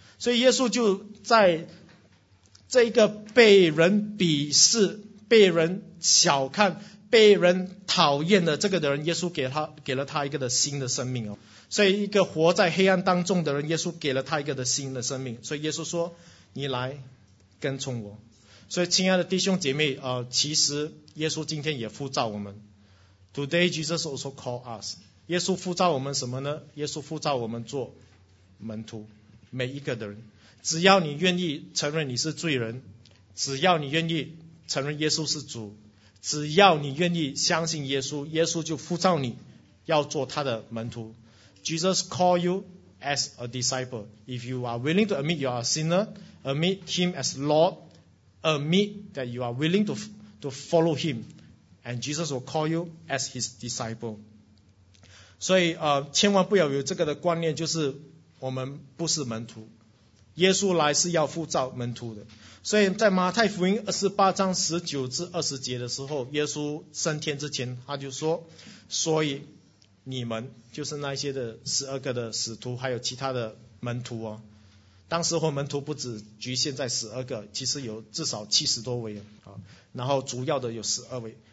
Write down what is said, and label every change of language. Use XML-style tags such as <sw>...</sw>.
<zh>所以耶稣就在这个被人鄙视、被人小看、被人讨厌的这个的人，耶稣给了他一个的新的生命。所以一个活在黑暗当中的人，耶稣给了他一个的新的生命。所以耶稣说，你来跟从我。所以亲爱的弟兄姐妹其实耶稣今天也呼召我们。</zh> <en>Today Jesus also called us。</en> <zh>耶稣呼召我们什么呢？耶稣呼召我们做门徒，每一个的人，只要你愿意承认你是罪人，只要你愿意承认耶稣是主，只要你愿意相信耶稣，耶稣就呼召你要做他的门徒。</zh> <en>Jesus call you as a disciple. If you are willing to admit you are a sinner, admit him as Lord, admit that you are willing to follow him, and Jesus will call you as his disciple.</en> <zh>所以千万不要有这个的观念，就是我们不是门徒，耶稣来是要呼召门徒的。所以在马太福音28:19-20的时候，耶稣升天之前他就说，所以你们就是那些的12的使徒还有其他的门徒当时候门徒不只局限在12，其实有至少70多位然后主要的有12位。</zh>